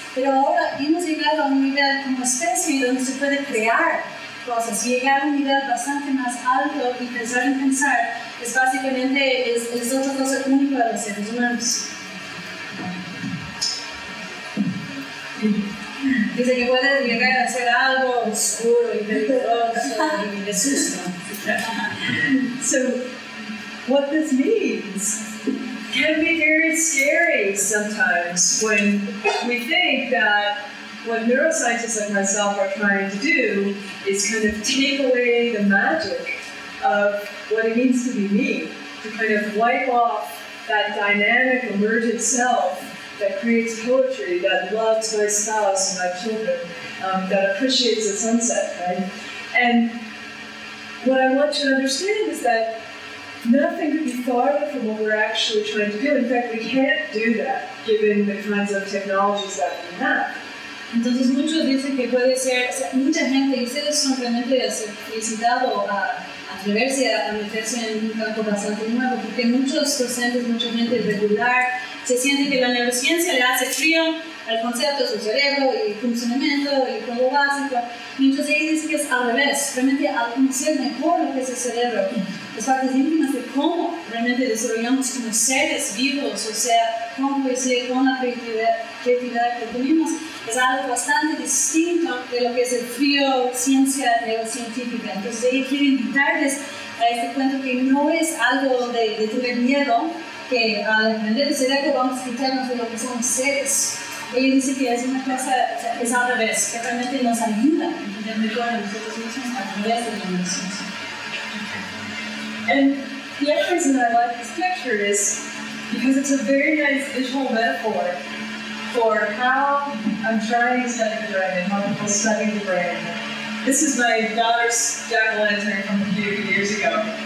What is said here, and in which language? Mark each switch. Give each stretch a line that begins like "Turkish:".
Spanish: Pero ahora hemos llegado a un nivel como especie donde se puede crear cosas, llegar a un nivel bastante más alto y pensar en pensar es básicamente es otra cosa única de los seres humanos. Dice que puede llegar a hacer algo oscuro y peligroso y de susto.
English: So, what this means? Can be very scary sometimes when we think that what neuroscientists like myself are trying to do is kind of take away the magic of what it means to be me, to kind of wipe off that dynamic emergent self that creates poetry, that loves my spouse and my children, that appreciates the sunset, right? And what I want you to understand is that nothing could be farther from what we're actually trying to do. In fact, we can't do that, given the kinds of technologies that we have.
Spanish: Entonces muchos dicen que puede ser, o sea, mucha gente, y ustedes son realmente felicitados a atreverse a meterse en un campo bastante nuevo, porque muchos docentes, mucha gente regular, se siente que la neurociencia le hace frío al concepto de su cerebro y funcionamiento y todo básico. Muchos de ellos dicen que es al revés, realmente al conocer mejor lo que es el cerebro, las partes íntimas de cómo realmente desarrollamos como seres vivos, o sea, cómo crecer con la creatividad que tenemos, es algo bastante distinto de lo que es el frío ciencia neurocientífica. Entonces, ahí quiero invitarles a este cuento que no es algo de tener miedo, que al aprender el cerebro vamos a quitarnos de lo que somos seres. Ella dice que es una cosa, o sea, es al revés, que realmente nos ayuda a entender mejor a nosotros mismos a través de la neurociencia.
English: And the other reason I like this picture is because it's a very nice visual metaphor for how I'm trying to study the brain and how people study the brain. This is my daughter's jack-o'-lantern from a few years ago.